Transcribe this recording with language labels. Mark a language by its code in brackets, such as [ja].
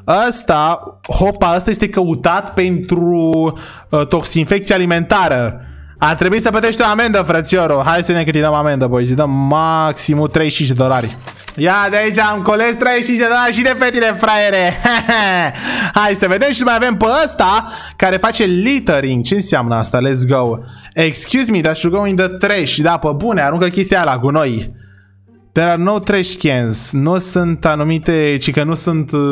[ro] Ăsta, hopa, ăsta este căutat pentru toxinfecție alimentară. Ar trebui să plătești o amendă, frățioro. Hai să ne cât îi dăm amendă, boys. Îi dăm maximul 35 de dolari. Ia, de aici am coles 35 de dolari și de pe tine, fraiere. Hai să vedem și mai avem pe ăsta care face littering. Ce înseamnă asta? [en] Let's go. Excuse me, that should go in the trash. [ro] Da, pe bune, aruncă chestia aia la gunoi. [en] There are no trash cans. [ro] Nu sunt anumite, ci că nu sunt...